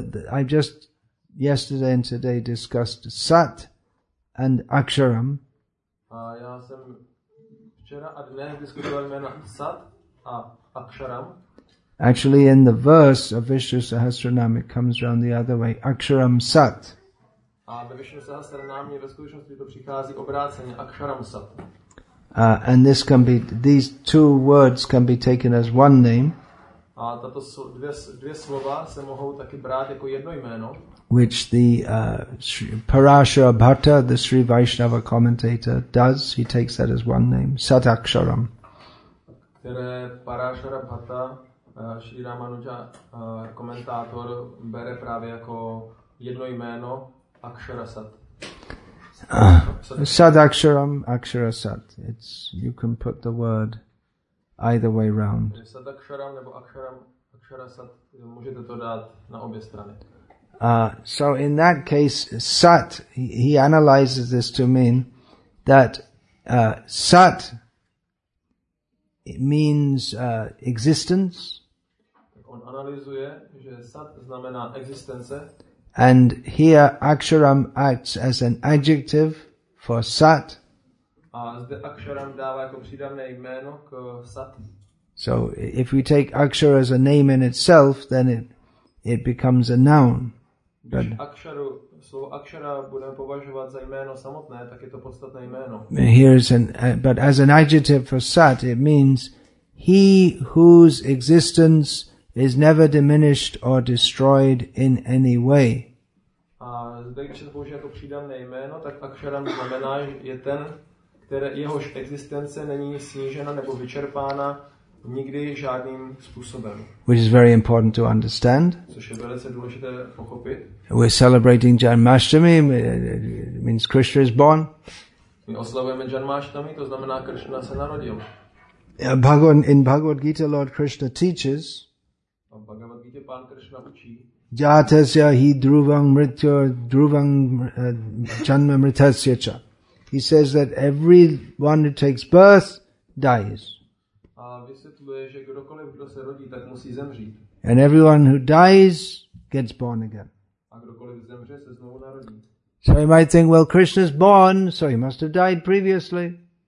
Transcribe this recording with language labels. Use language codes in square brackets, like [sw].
[en] I've just yesterday and today discussed Sat and Aksharam. [cs] Já jsem včera a dnes diskutoval jména Sat a Aksharam. [en] Actually, in the verse of Vishnu Sahasranam, it comes round the other way, Aksharam Sat. [cs] A ve Vishnu Sahasranamě ve skutečnosti to přichází obráceně, Aksharam Sat. [en] And this can be, these two words can be taken as one name. [cs] A tato dvě slova se mohou taky brát jako jedno jméno. [en] Which the Parashara Bhatta, the Sri Vaishnava commentator, does. He takes that as one name, Sataksharam. [cs] Které Parashara Bhatta, Sri Ramanuja komentátor, bere právě jako jedno jméno, Aksharasat. [sa] Sataksharam, Aksharasat. [en] It's, you can put the word either way round. [cs] Sadaksharam nebo aksharam, aksharasat, můžete to dát na obě strany. [en] So in that case, sat, he analyzes this to mean that sat means existence. [cs] On analyzuje, že sat znamená existence. [en] And here aksharam acts as an adjective for sat. [cs] A zde aksharam dává jako přídavné jméno k sat. [en] So if we take akshara as a name in itself, then it becomes a noun. [cs] But slovo akshara budeme považovat za jméno samotné, tak je to podstatné jméno. [en] But as an adjective for sat, it means he whose existence is never diminished or destroyed in any way. [cs] A zde když se použije jako přídavné jméno, tak aksharam znamená, je ten, jehož existence není snížena nebo vyčerpána nikdy žádným způsobem. [en] Which is very important to understand. [cs] Což je velice důležité pochopit. [en] We're celebrating Janmashtami, it means Krishna is born. [cs] My oslavujeme Janmashtami, to znamená Krishna se narodil. [en] In Bhagavad Gita, Lord Krishna teaches. [cs] A v Bhagavad Gita pán Krishna učí. [sa] Jatasya hi dhruvang mrityo dhruvang janma mrityasya cha. [en] He says that everyone who takes birth dies. [cs] A vysvětluje, že kdokoliv, kdo se rodí, tak musí zemřít. [en] And everyone who dies gets born again. [cs] A kdokoliv zemře, se znovu narodí. [en] So you might think, well, Krishna's born, so he must have died previously.